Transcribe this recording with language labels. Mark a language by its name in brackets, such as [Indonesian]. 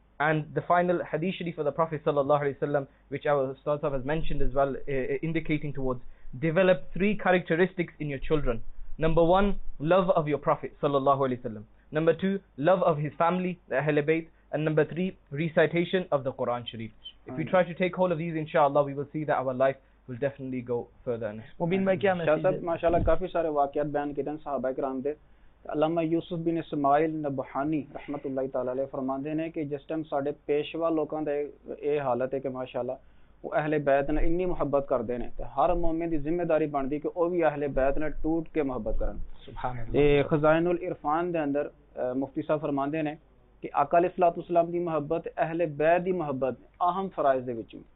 [English] And the final hadith sharif for the Prophet sallallahu alaihi wasallam, which our Ustaz has mentioned as well, indicating towards, develop three characteristics in your children. Number one, love of your Prophet sallallahu alaihi wasallam. Number two, love of his family, the Ahlul Bayt. And number three, recitation of the Quran Sharif. If we try to take hold of these, inshallah, we will see that our life will definitely go further. [Urdu] Mubin bhai, kya message hai? [Punjabi] MashaAllah, kafi sare waqiat bayan kiye hain sahaba ikram de. علامہ یوسف بن اسماعیل نبہانی رحمۃ اللہ تعالیٰ علیہ فرماندے ہیں کہ جس time ساڈے پیشوا لوکاں دے اے حالت ہے کہ ماشاءاللہ وہ اہل بیت نے انی محبت کردے نے تے ہر مومن دی ذمہ داری بندی کہ او وی اہل بیت نے ٹوٹ کے محبت کرن سبحان اللہ تے خزائن العرفان دے اندر مفتی صاحب فرماندے نے کہ آقا علیہ الصلوۃ والسلام دی محبت اہل بیت دی محبت اہم فرائض دے وچوں